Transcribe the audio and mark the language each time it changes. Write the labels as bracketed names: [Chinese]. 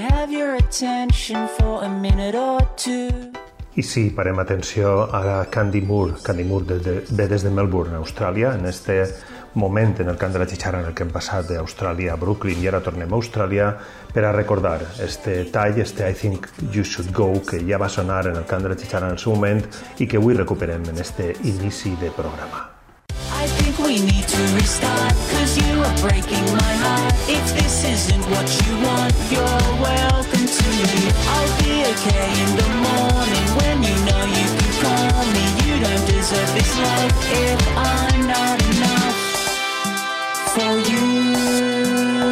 [English] your attention for a minute or two. [Catalan] I sí, parem atenció a Candy Moore. Candy Moore ve des de Melbourne, Austràlia, en este moment, en el cant de la xixara en el que hem passat d'Austràlia a Brooklyn i ara tornem a Austràlia, per a recordar este tall, este I Think You Should Go, que ja va sonar en el cant de la xixara en el seu moment i que avui recuperem en este inici de programa. [English] I think we need to restart, 'cause you are breaking my heart. If this isn't what you want, you're welcome to me. I'll be okay in the morning when you know you can call me. You don't deserve this life if I'm not enough for you.